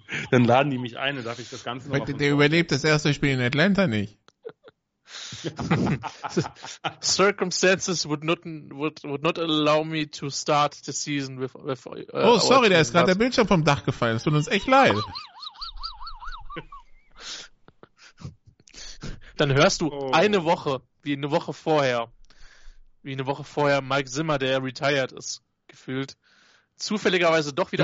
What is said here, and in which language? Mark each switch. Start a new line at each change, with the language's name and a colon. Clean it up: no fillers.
German: Dann laden die mich ein und darf ich das Ganze noch. Der überlebt das erste Spiel in Atlanta nicht.
English: Circumstances would not allow me to start the season with oh, sorry,
German: da ist gerade der Bildschirm vom Dach gefallen. Es tut uns echt leid. Dann hörst du eine Woche vorher Mike Zimmer, der retired ist, gefühlt, zufälligerweise doch wieder.